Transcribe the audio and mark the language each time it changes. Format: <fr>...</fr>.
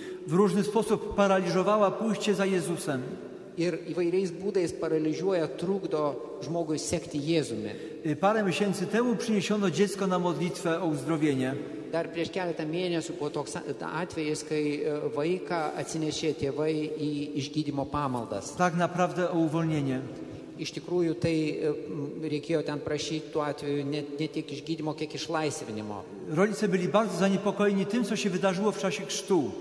<pl>W różny sposób paraliżowała pójście za Jezusem.</pl> <lt>Ir įvairiais būdais paraliżuoja, trukdo žmogui sekti Jėzumi.</lt> <pl>Parę miesięcy temu przyniesiono dziecko na modlitwę o uzdrowienie.</pl> <lt>Dar prieš keletą mėnesių buvo toks atvejis, kai vaiką atsinešė tėvai į išgydymo pamaldas.</lt> <pl>Tak naprawdę o uvolnienie.</pl> <lt>Iš tikrųjų, tai reikėjo ten prašyti tuo atveju ne tiek išgydymo, kiek išlaisvinimo.</lt> <pl>Rodzice byli bardzo zaniepokojeni tym, co się wydarzyło w czasie chrztu.</pl>